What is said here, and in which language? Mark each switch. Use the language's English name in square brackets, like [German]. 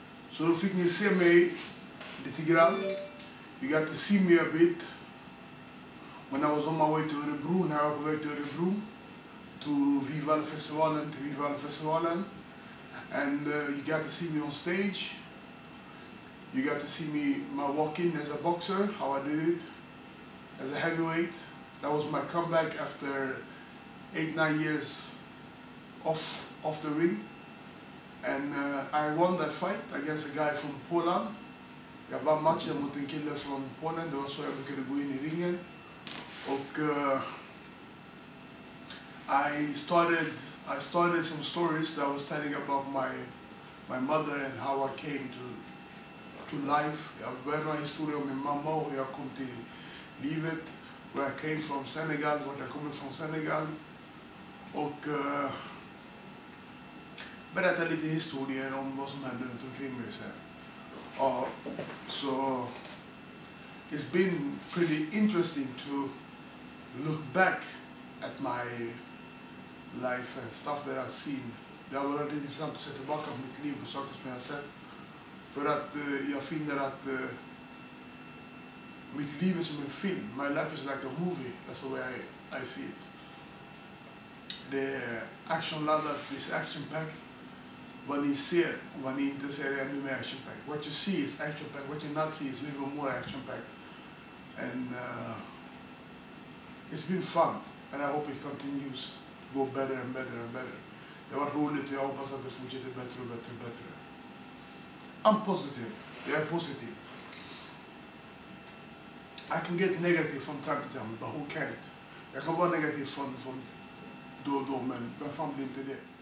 [Swedish] Så då fick ni se mig lite grann. [English] You got to see me a bit. When I was on my way to Örebro, [Swedish] när jag var på väg till Örebro. [English] To Vivalfestivalen, [Swedish] till Vivalfestivalen. [English] And you got to see me on stage. You got to see me, my walk-in as a boxer, how I did it. As a heavyweight. That was my comeback after 8-9 years off the ring. And I won that fight against a guy from Poland. [Swedish] Jag var matchen mot en kille från Polen, det var så jag brukade gå in i ringen. [English] Och I started some stories that I was telling about my mother and how I came to life. [Swedish] Jag berättade en historia om min mamma och hur jag kom till livet. [English] Where I came from Senegal, where I come from Senegal. [Swedish] Och berätta lite historier om vad som hände runt omkring mig sen. [English] So it's been pretty interesting to look back at my life and stuff that I've seen. [Swedish] Det har varit intressant att se tillbaka på mitt liv och saker som jag har sett. För att jag finner att mitt liv är som en film. [English] My life is like a movie. That's the way I see it. the action ladder is action packed. When you see it, when you enter the area, it's action packed. What you see is action packed. What you not see is even more action packed. And it's been fun, and I hope it continues to go better and better and better. [Swedish] Det var roligt, jag hoppas att det fortsätter bättre och bättre och bättre. [English] I'm positive. [Swedish] Jag är positiv. [English] I can get negative from time to time, but who can't? [Swedish] Jag kan vara negativ från då och då, men vem fan blir inte det?